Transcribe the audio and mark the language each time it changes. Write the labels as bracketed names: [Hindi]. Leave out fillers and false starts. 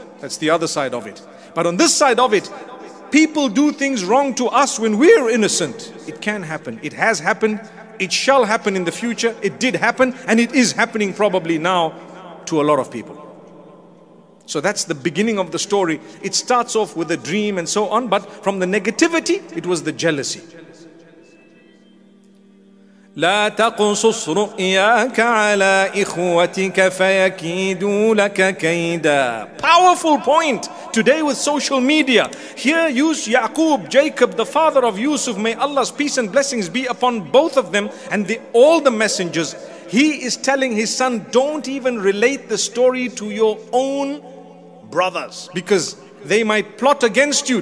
[English] That's the other side of it. But on this side of it, people do things wrong to us when we're innocent. It can happen. It has happened. It shall happen in the future. It did happen. And it is happening probably now to a lot of people. So that's the beginning of the story. It starts off with a dream and so on. But from the negativity, it was the jealousy. [Arabic] لا تقصص رؤياك على إخوتك فيكيدوا لك كيدا. [English] Powerful point today with social media. Here Yusuf, Yaqub, Jacob, the father of Yusuf, may Allah's peace and blessings be upon both of them and all the messengers. He is telling his son, don't even relate the story to your own brothers because they might plot against you.